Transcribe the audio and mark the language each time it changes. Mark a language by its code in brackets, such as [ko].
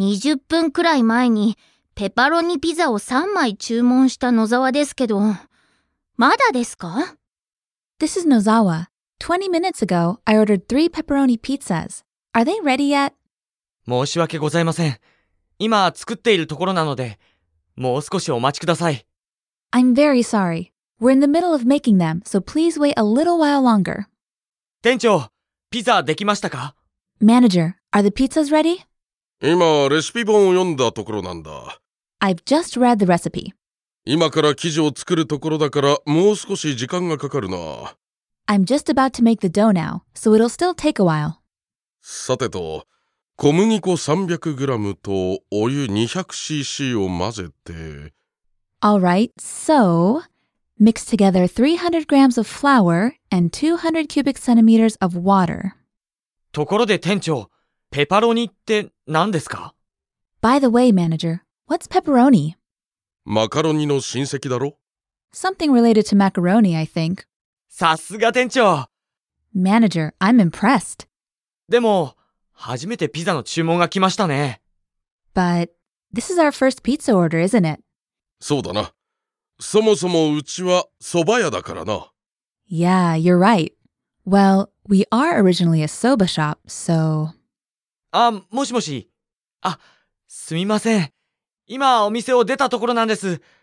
[ja] 20分くらい前にペパロニピザを3枚注文した野沢ですけど、まだですか？ [en] This is Nozawa. 20 minutes ago, I ordered 3 pepperoni pizzas. Are they ready yet? [ja] 申し訳ございません。今作っているところなので、もう少しお待ちください。 [en] I'm very sorry. We're in the middle of making them, so please wait a little while longer. [ja] 店長、ピザできましたか？ [en] Manager, are the pizzas ready? [ja] 今レシピ本を読んだところなんだ。 [en] I've just read the recipe. [ja] 今から生地を作るところだから、もう少し時間がかかるな。 [en] I'm just about to make the dough now, so it'll still take a while. [ja] さてと、小麦粉 300g とお湯 200cc を混ぜて。 [en] Alright, so, mix together 300g of flour and 200 cubic centimeters of water. [ja] ところで店長、ペパロニって何ですか？ [en] By the way, manager, what's pepperoni? [ja] マカロニの親戚だろ？ [en] Something related to macaroni, I think. [ja] さすが店長！ [en] Manager, I'm impressed. [ja] でも、初めてピザの注文が来ましたね。 [en] But, this is our first pizza order, isn't it? [ja] そうだな。そもそもうちは蕎麦屋だからな。 [en] Yeah, you're right. Well, we are originally a soba shop, so... [ja] あ、もしもし。あ、すみません。今お店を出たところなんです。